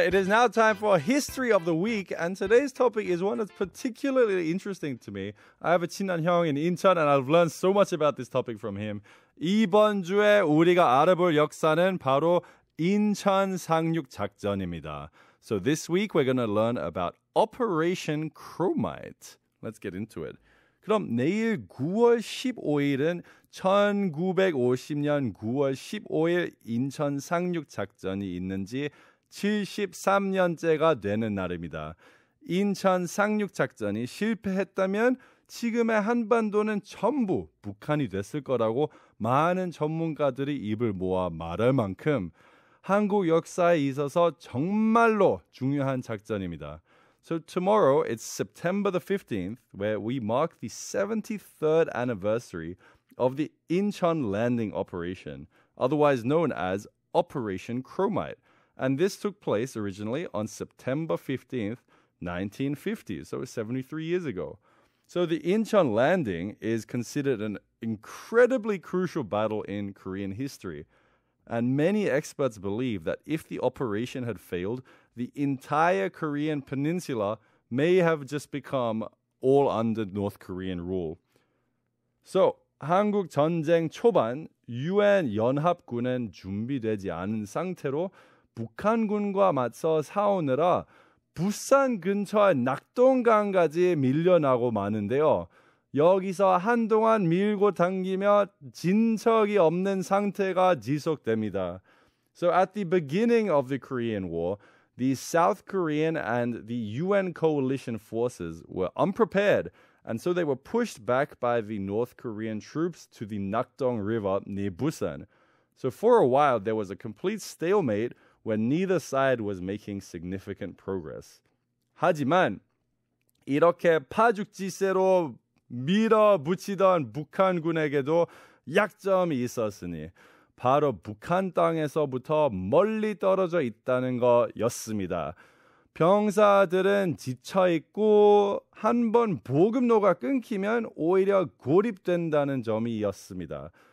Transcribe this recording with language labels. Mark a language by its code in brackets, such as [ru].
[en] It is now time for history of the week, and today's topic is one that's particularly interesting to me. I have a [ko] 친한 형 [en] in Incheon, and I've learned so much about this topic from him. [ko] 이번 주에 우리가 알아볼 역사는 바로 인천상륙작전입니다. [en] So this week, we're going to learn about Operation Chromite. Let's get into it. [ko] 그럼 내일 9월 15일은 1950년 9월 15일 인천 상륙 작전이 있는 지 73년째가 되는 날입니다. 인천 상륙 작전이 실패했다면 지금의 한반도는 전부 북한이 됐을 거라고 많은 전문가들이 입을 모아 말할 만큼 한국 역사에 있어서 정말로 중요한 작전입니다. [en] So tomorrow, it's September the 15th, where we mark the 73rd anniversary of the Incheon Landing Operation, otherwise known as Operation Chromite. And this took place originally on September 15th, 1950, so 73 years ago. So the Incheon Landing is considered an incredibly crucial battle in Korean history. And many experts believe that if the operation had failed, the entire Korean peninsula may have just become all under North Korean rule. [ko] So, 한국 전쟁 초반, UN 연합군은 준비되지 않은 상태로 북한군과 맞서 싸우느라 부산 근처의 낙동강까지 밀려나고 마는데요. 여기서 한동안 밀고 당기며 진척이 없는 상태가 지속됩니다. [en] So at the beginning of the Korean War, the South Korean and the UN coalition forces were unprepared, and so they were pushed back by the North Korean troops to the Nakdong River near Busan. So for a while, there was a complete stalemate where neither side was making significant progress. [ko] 하지만 이렇게 파죽지세로 밀어붙이던 북한군에게도 약점이 있었으니 바로 북한 땅에서부터 멀리 떨어져 있다는 거였습니다. 병사들은 지쳐있고 한번 보급로가 끊기면 오히려 고립된다는 점이었습니다.